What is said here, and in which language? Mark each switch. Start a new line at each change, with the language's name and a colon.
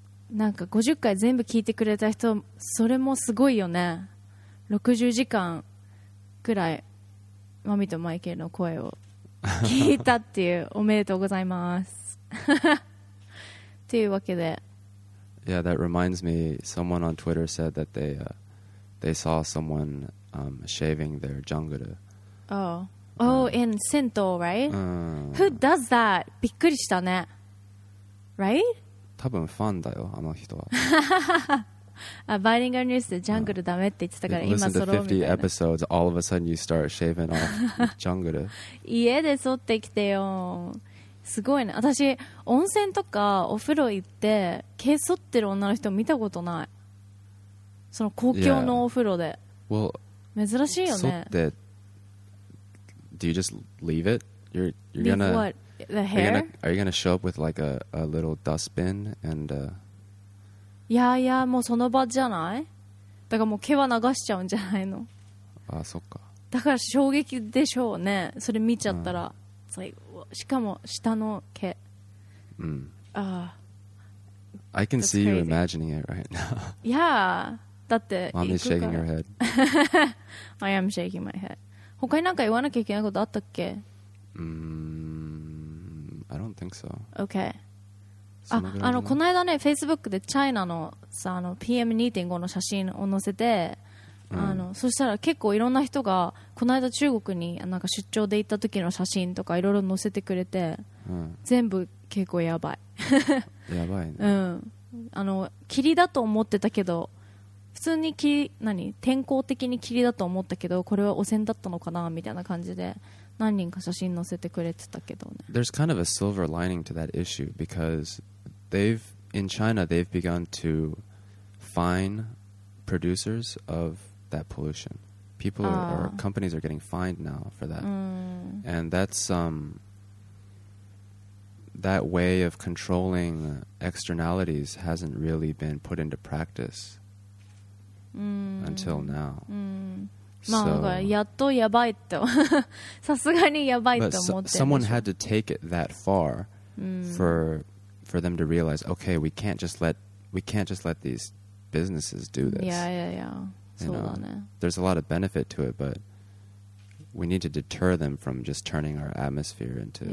Japanese: なんか50回全部聞いてくれた人それもすごいよね。 60時間くらいマミとマイケルの声を聞いたっていう、おめでとうございますっていうわけで。
English: Yeah, that reminds me. Someone on Twitter said that they saw someone shaving their jungle. Oh, oh, in Sento, right?、 Uh, Who does that?
Japanese: びっくりしたね。
English: Right?
Japanese: 多分ファンだよ、あの人は。バイリンガルニュースでジャングルダメって言ってたから今揃うみたいな。
English: 50 episodes, all of a sudden you start shaving off ジャングル。
Japanese: 家で剃ってきてよ、すごいね。私温泉とかお風呂行って毛剃ってる女の人見たことない、その公共のお風呂で、
English: yeah. well,
Japanese: 珍しいよね。剃って
English: Do you just leave it? You're gonna, leave what? The hair? Are you gonna show up with like a little dustbin and
Japanese: いやいや、もうその場じゃない、だからもう毛は流しちゃうんじゃないの。ああ、そっか。だから衝撃でしょうね、それ見ちゃったら、うん、しかも下の毛。うん。ああ。
English: I can see you imagining it right now. Yeah,
Japanese: だって行くから。
English: Mommy's shaking her head. I am shaking my head.
Japanese: 他になんか言わなきゃいけないことあったっけ。
English: I don't think so. Okay.
Japanese: あのこの間ね、Facebook でチャイナのさ、あの PM2.5 の写真を載せて、うん、そしたら結構いろんな人が、この間中国になんか出張で行った時の写真とかいろいろ載せてくれて、うん、全部結構やばい。やばいね。うん。霧だと思ってたけど、普通に霧、何、天候的に霧だと思ったけど、これは汚染だったのかな、みたいな感じで。何人か写真載せてくれてたけどね。
English: There's kind of a silver lining to that issue because in China they've begun to fine producers of that pollution. People or companies are getting fined now for that. And that's that way of controlling externalities hasn't really been put into practice until now.
Japanese: まあ、
English: so,
Japanese: やっとやばいとさすがにやばいと思って
English: someone had to take it that far、for them to realize okay we can't just let these businesses do this. Yeah, yeah, yeah. You
Japanese: そうだね
English: know, there's a lot of benefit to it but we need to deter them from just turning our atmosphere into